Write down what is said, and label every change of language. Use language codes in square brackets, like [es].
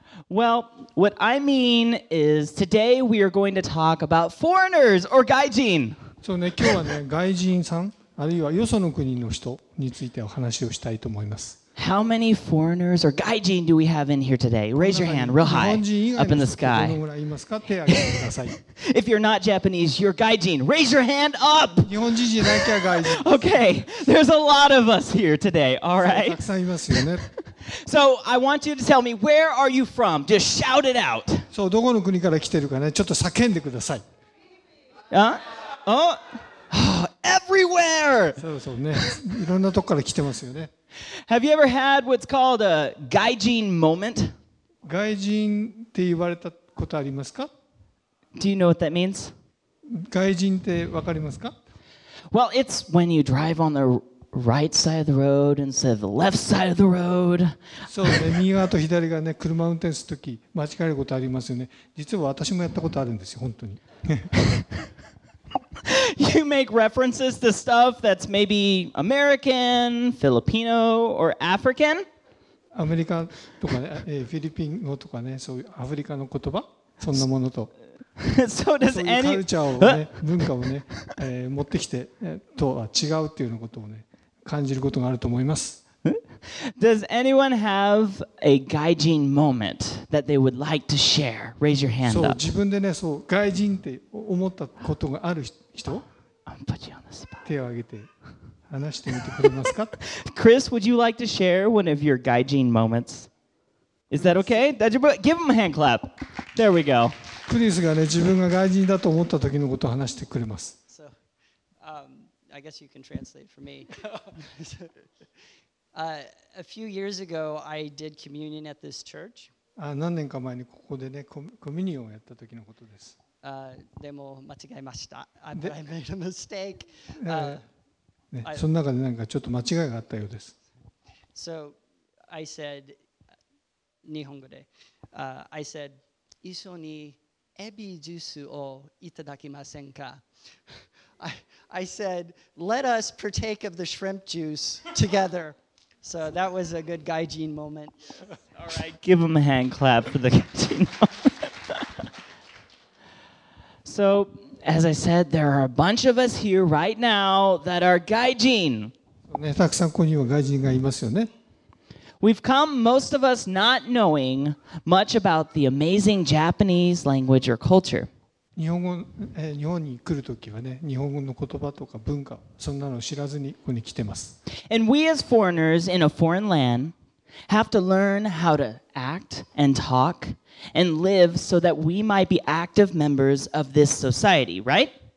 [en] Well, what I mean is today we are going to talk about foreigners or 外人. [ja] そうね、今日はね、外人さん、あるいはよその国の人についてお話をしたいと思います。 [en] How many foreigners or 外人 do we have in here today? Raise your hand real high up in the sky. If you're not Japanese, you're 外人.Raise your hand up! Okay, there's a lot of us here today, all right? So I want you to tell me, where are you from? Just shout it out. [ja] So, どこの国から来てるかね、ちょっと叫んでください。 [en] Everywhere! [ja] そうね、いろんなとこから来てますよね。 [en] Have you ever had what's called a 外人 moment? [ja] 外人って言われたことありますか? [en] Do you know what that means? [ja] 外人ってわかりますか? [en] Well, it's when you drive on the right side of the road instead of the left side of the road. [ja] そうね、右側と左側ね、車運転するとき間違えることありますよね。実は私もやったことあるんですよ、本当に。 [en] You make references to stuff that's maybe American, Filipino, or African? [ja] アメリカとかね、フィリピン語とかね、そういうアフリカの言葉、そんなものと。 [en] So does any... [ja] そういうカルチャーをね、文化をね、持ってきてとは違うっていうようなことをね、感じることがあると思います。 [en] Does anyone have a 外人 moment that they would like to share? Raise your hand up. [ja] そう、自分でね、そう、外人って思ったことがある人? 手を挙げて話してみてくれますか? [en] Chris, would you like to share one of your 外人 moments? Is that okay? Give him a hand clap. There we go. [ja] Chris がね、自分が外人だと思った時のことを話してくれます。 [en] So, I guess you can translate for me. a few years ago, I did communion at this church. [ja] 何年か前にここでね、コミュニオンをやった時のことです。でも間違えました。 [en] I made a mistake. [ja] その中でなんかちょっと間違いがあったようです。 [en] So, I said, [ja] 日本語で、 [en] I said, [ja] 一緒にエビジュースをいただきませんか? [en] I said, let us partake of the shrimp juice together. So that was a good gaijin moment. All right, give him a hand clap for the gaijin moment. So, as I said, there are a bunch of us here right now that are gaijin. We've come, most of us, not knowing much about the amazing Japanese language or culture. [ja] 日本語、日本に来る時はね、日本語の言葉とか文化、そんなの知らずにここに来てます。 [en] And we as foreigners in a foreign land have to learn how to act and talk and live so that we might be active members of this society, right?